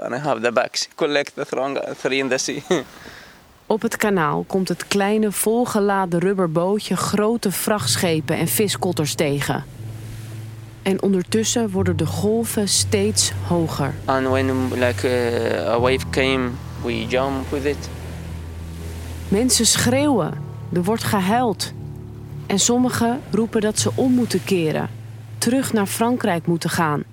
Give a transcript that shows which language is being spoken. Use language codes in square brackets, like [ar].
[en] And I have the bags, collect the throwing out, 3 in the sea. [nl] Op het kanaal komt het kleine volgeladen rubberbootje grote vrachtschepen en viskotters tegen. En ondertussen worden de golven steeds hoger. [en] And when a wave came, we jump with it. [nl] Mensen schreeuwen, er wordt gehuild. En sommigen roepen dat ze om moeten keren, terug naar Frankrijk moeten gaan.